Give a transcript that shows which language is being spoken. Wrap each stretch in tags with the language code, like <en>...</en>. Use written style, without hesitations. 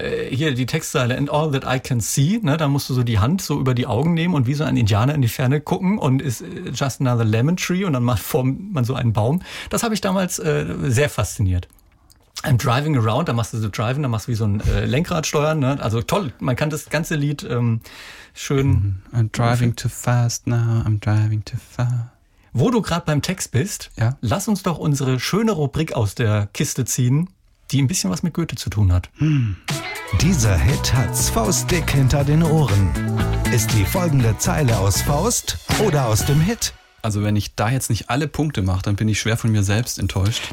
<de>Hier die Textzeile,</de> <en>and all that I can see,</en> <de>ne, da musst du so die Hand so über die Augen nehmen und wie so ein Indianer in die Ferne gucken und ist</de> <en>just another lemon tree</en> <de>und dann formt man so einen Baum. Das habe ich damals sehr fasziniert.</de> <en>I'm driving around,</en> <de>da machst du so driving, da machst du wie so ein Lenkrad steuern. Ne? Also toll, man kann das ganze Lied schön...</de> <en>I'm driving too fast now, I'm driving too fast.</en> <de>Wo du gerade beim Text bist, lass uns doch unsere schöne Rubrik aus der Kiste ziehen, die ein bisschen was mit Goethe zu tun hat. Dieser Hit hat's faustdick hinter den Ohren. Ist die folgende Zeile aus Faust oder aus dem Hit? Also wenn ich da jetzt nicht alle Punkte mache, dann bin ich schwer von mir selbst enttäuscht.</de>